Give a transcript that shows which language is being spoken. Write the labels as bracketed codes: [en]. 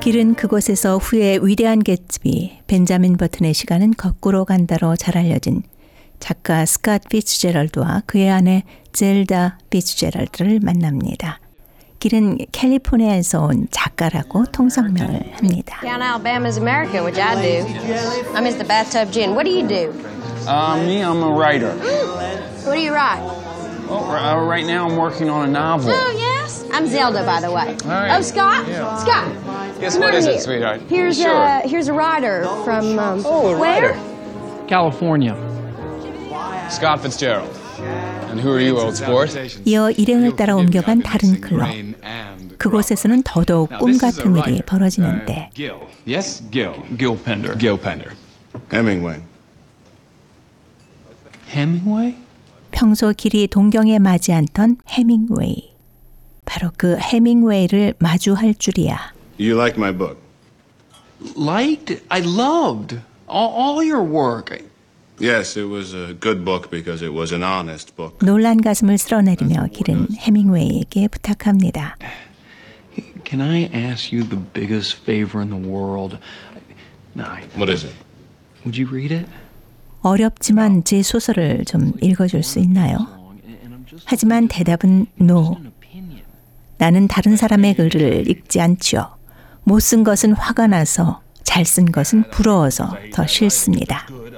[ko] 길은 그곳에서 후의 위대한 개츠비, 벤자민 버튼의 시간은 거꾸로 간다로 잘 알려진 작가 스캇 피츠제럴드와 그의 아내 젤다 피츠제럴드를 만납니다. 길은 캘리포니아에서 온 작가라고 통성명을 합니다. [en] Down Alabama's America, which I do. I'm Mr. Bathtub Gin. What do you do? Me, I'm a writer. What do you write? Oh, right now I'm working on a novel. Oh, yes? I'm Zelda, by the way. Right. Oh, Scott? Yeah. Scott. Yes, what is it, sweetheart? Here's a writer from where? Writer. California. Scott Fitzgerald. And who are you, old sport? [ko] 이어 일행을 따라 옮겨간 다른 클럽. 그곳에서는 더더욱 꿈 같은 일이 벌어지는데. [en] Gil. Yes, Gil. Gil Pender. Gil Pender. Hemingway. Hemingway? [ko] 평소 길이 동경에 마지 않던 헤밍웨이. 바로 그 헤밍웨이를 마주할 줄이야. [en] You like my book? Liked? I loved all your work. Yes, it was a good book because it was an honest book. [ko] 놀란 가슴을 쓸어내리며 길은 헤밍웨이에게 부탁합니다. [en] Can I ask you the biggest favor in the world? No. What is it? Would you read it? [ko] 어렵지만 제 소설을 좀 읽어줄 수 있나요? 하지만 대답은 NO. 나는 다른 사람의 글을 읽지 않죠. 못 쓴 것은 화가 나서, 잘 쓴 것은 부러워서 더 싫습니다.